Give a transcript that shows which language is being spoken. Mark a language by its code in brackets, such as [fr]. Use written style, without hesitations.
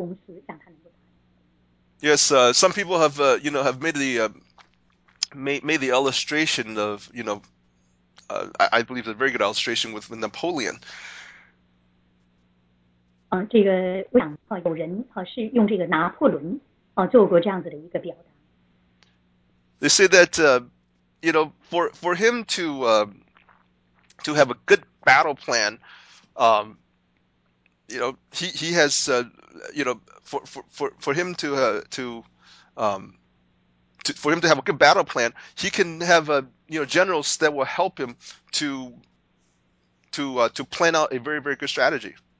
[zh] 那即使是你的策略可能还是半生不熟的，还有一些不成熟的地方，但是因为有一个这样的一个好的文化的话，它还是可以去扭转这个公司，让它能够。 [en] Yes, some people have made the illustration of, I believe a very good illustration with Napoleon. [zh] 这个我想有人是用这个拿破仑做过这样子的一个表达。 [en] They say that, for him to have a good battle plan, for him to have a good battle plan, he can have generals that will help him to plan out a very very good strategy.